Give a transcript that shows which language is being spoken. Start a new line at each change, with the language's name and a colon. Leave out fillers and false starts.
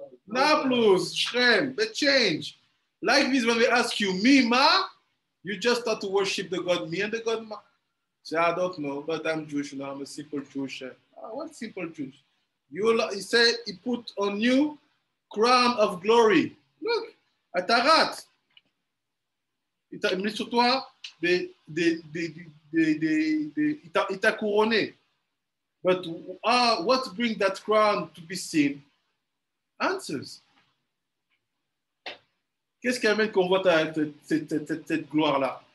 English: Nablus, Shrem, but change. Like this, when we ask you, me, ma? You just start to worship the God, me and the God, ma. Say, I don't know, but I'm Jewish now. I'm a simple Jewish. What simple Jewish? You say, he put on you crown of glory. Look, atarat.
French: Il t'a mis sur toi il t'a couronné.
English: But what brings that crown to be seen? Answers.
French: Qu'est-ce qui amène qu'on voit cette gloire-là?